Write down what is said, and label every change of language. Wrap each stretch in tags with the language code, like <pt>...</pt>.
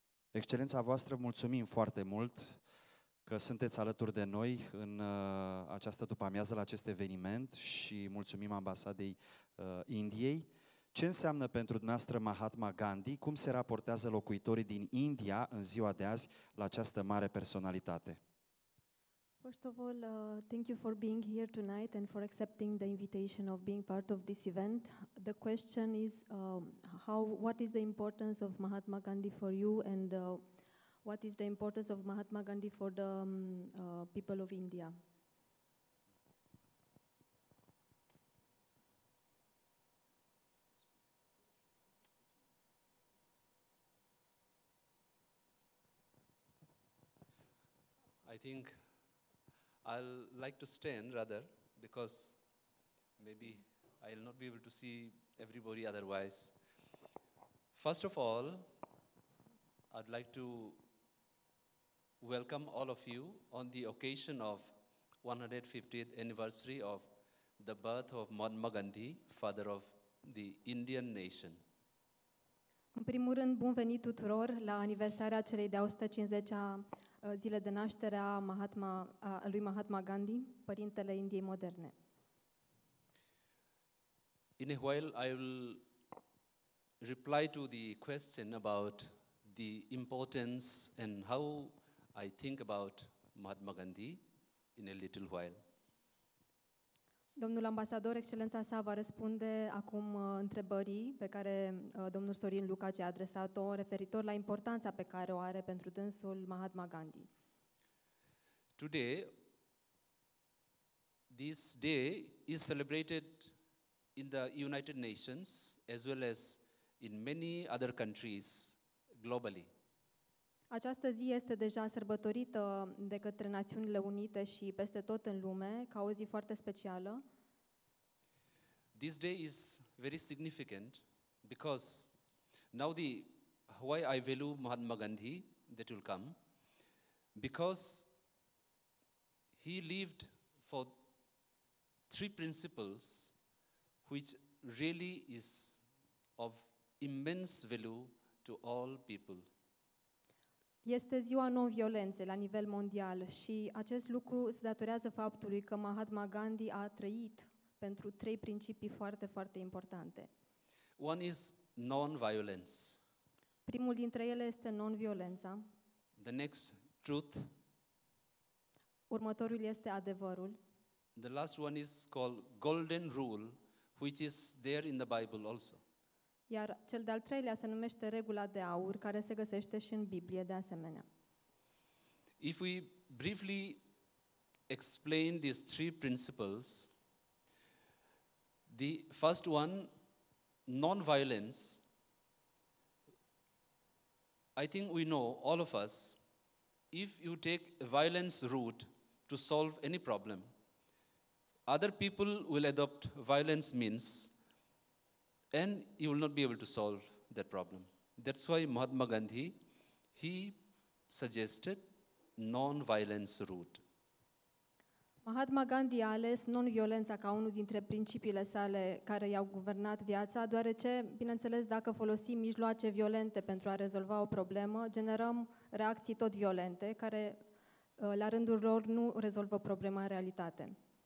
<ro>Excelența voastră, mulțumim foarte mult că sunteți alături de noi în această după-amiază la acest eveniment și mulțumim ambasadei Indiei. Ce înseamnă pentru dumneavoastră Mahatma Gandhi? Cum se raportează locuitorii din India în ziua de azi la această mare personalitate?</ro> <en>First of all, thank you for being here tonight and for accepting the invitation of being part of this event. The question is what is the importance of Mahatma Gandhi for you and what is the importance of Mahatma Gandhi for the people of India? I think I'll like to stand rather because maybe I'll not be able to see everybody otherwise. First of all, I'd like to welcome all of you on the occasion of 150th anniversary of the birth of Mahatma Gandhi, father of the Indian nation.</en> <ro>În primul rând, bun venit tuturor la aniversarea celei de 150-a zile de naștere a lui Mahatma Gandhi, părintele Indiei moderne.</ro> <en>In a while I will reply to the question about the importance and how I think about Mahatma Gandhi in a little while.</en> <ro>Domnul ambasador, excelența sa va răspunde acum întrebării pe care domnul Sorin Lucaci a adresat-o referitor la importanța pe care o are pentru dânsul Mahatma Gandhi.</ro> <en>Today, this day is celebrated in the United Nations as well as in many other countries globally.</en> <ro>Această zi este deja sărbătorită de către Națiunile Unite și peste tot în lume ca o zi foarte specială.</ro> <en>This day is very significant because now the why I value Mahatma Gandhi that will come because he lived for three principles which really is of immense value to all people.</en> <ro>Este ziua non-violenței la nivel mondial și acest lucru se datorează faptului că Mahatma Gandhi a trăit pentru trei principii foarte, foarte importante.</ro> <en>One is non-violence.</en> <ro>Primul dintre ele este non-violența.</ro> <en>The next, truth.</en> <ro>Următorul este adevărul.</ro> <en>The last one is called golden rule, which is there in the Bible also.</en> <ro>Iar cel de-al treilea se numește regula de aur, care se găsește și în Biblie de asemenea.</ro> <en>If we briefly explain these three principles, the first one, non-violence, I think we know, all of us, if you take a violence route to solve any problem, other people will adopt violence means and you will not be able to solve that problem. That's why Mahatma Gandhi, he suggested non-violence route.</en> <ro>Mahatma Gandhi a ales non-violența ca unul dintre principiile sale care i-au guvernat viața, deoarece, bineînțeles, dacă folosim mijloace violente pentru a rezolva o problemă, generăm reacții tot violente, care, la rândul lor, nu rezolvă problema în realitate.</ro>